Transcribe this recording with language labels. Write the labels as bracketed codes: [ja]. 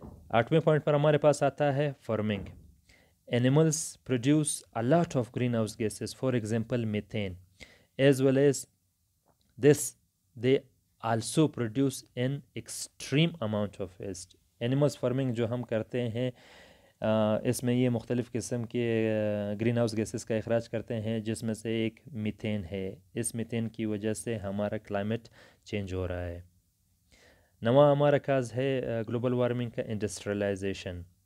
[ur] آٹھویں پوائنٹ پر ہمارے پاس آتا ہے farming. [en] Animals produce a lot of green gases, for example methane, as well as this they also produce an extreme amount of waste. [ur] Animals farming جو ہم کرتے ہیں, اس میں یہ مختلف قسم کے گرین ہاؤس گیسز کا اخراج کرتے ہیں, جس میں سے ایک میتھین ہے. اس میتھین کی وجہ سے ہمارا کلائمیٹ چینج ہو رہا ہے. نواں ہمارا کاز ہے گلوبل وارمنگ کا انڈسٹریلائزیشن.